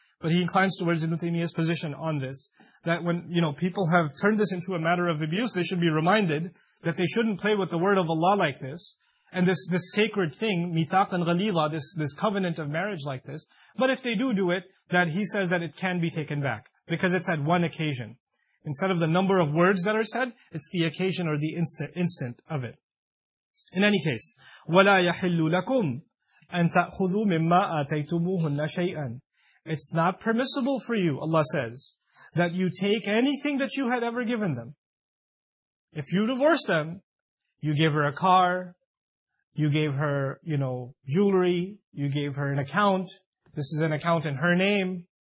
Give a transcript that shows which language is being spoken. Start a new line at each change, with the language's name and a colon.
English: But he inclines towards Ibn Taymiyyah's position on this. That when, you know, people have turned this into a matter of abuse, they should be reminded that they shouldn't play with the word of Allah like this. And this sacred thing, mithaq and ghaliza, this covenant of marriage like this. But if they do it, that he says that it can be taken back. Because it's at one occasion. Instead of the number of words that are said, it's the occasion or the instant of it. In any case,
Arabic: وَلَا يَحِلُّ لَكُمْ أَن تَأْخُذُوا مِمَّا آتَيْتُمُوهُنَّ شَيْئًا.
English: It's not permissible for you, Allah says, that you take anything that you had ever given them. If you divorce them, you give her a car, you gave her, you know, jewelry, you gave her an account, this is an account in her name.